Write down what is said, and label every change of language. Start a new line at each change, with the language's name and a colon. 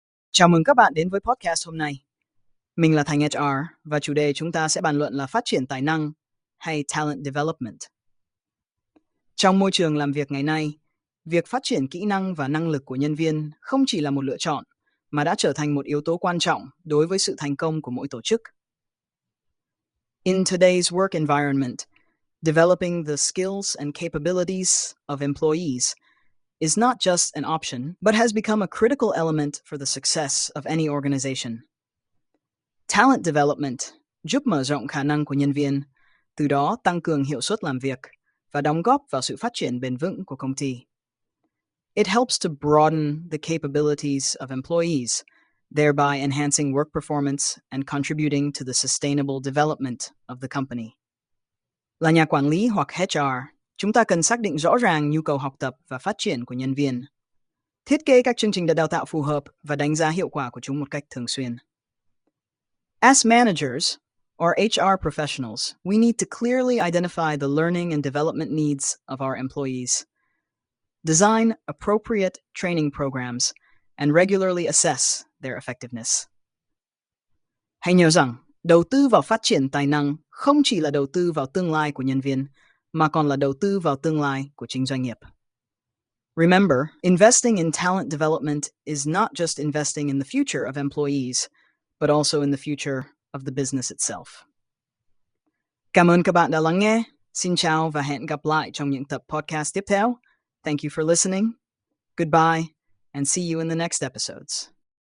Vietnamese: Chào mừng các bạn đến với podcast hôm nay. Mình là Thành HR và chủ đề chúng ta sẽ bàn luận là phát triển tài năng hay talent development. Trong môi trường làm việc ngày nay, việc phát triển kỹ năng và năng lực của nhân viên không chỉ là một lựa chọn mà đã trở thành một yếu tố quan trọng đối với sự thành công của mỗi tổ chức.
English: In today's work environment, developing the skills and capabilities of employees is not just an option, but has become a critical element for the success of any organization.
Vietnamese: Talent development giúp mở rộng khả năng của nhân viên, từ đó tăng cường hiệu suất làm việc và đóng góp vào sự phát triển bền vững của công ty.
English: It helps to broaden the capabilities of employees, thereby enhancing work performance and contributing to the sustainable development of the company.
Vietnamese: Là nhà quản lý hoặc HR, chúng ta cần xác định rõ ràng nhu cầu học tập và phát triển của nhân viên, thiết kế các chương trình đào tạo phù hợp và đánh giá hiệu quả của chúng một cách thường xuyên.
English: As managers or HR professionals, we need to clearly identify the learning and development needs of our employees, design appropriate training programs, and regularly assess their effectiveness.
Vietnamese: Hãy nhớ rằng, đầu tư vào phát triển tài năng không chỉ là đầu tư vào tương lai của nhân viên, mà còn là đầu tư vào tương lai của chính doanh nghiệp.
English: Remember, investing in talent development is not just investing in the future of employees, but also in the future of the business itself.
Vietnamese: Cảm ơn các bạn đã lắng nghe. Xin chào và hẹn gặp lại trong những tập podcast tiếp theo.
English: Thank you for listening. Goodbye, and see you in the next episodes.